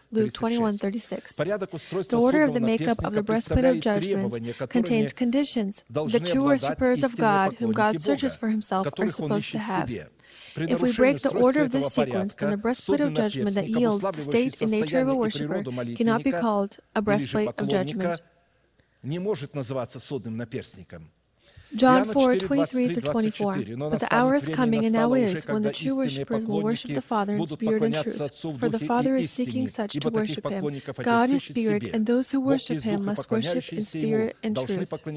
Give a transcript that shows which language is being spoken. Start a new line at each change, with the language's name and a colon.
English: Luke 21:36. The order of the makeup of the breastplate of judgment contains conditions that true worshippers of God, whom God searches for himself, are supposed to have. If we break the order of this sequence, then the breastplate of judgment that yields the state and nature of a worshipper cannot be called a breastplate of judgment.
Russian: Не может называться судным наперстником.
English: John 4:23-24. But the hour is coming, and now is, when the true worshippers will worship the Father in spirit and truth. For the Father is seeking such to worship Him. God is spirit, and those who worship Him must worship in spirit and truth.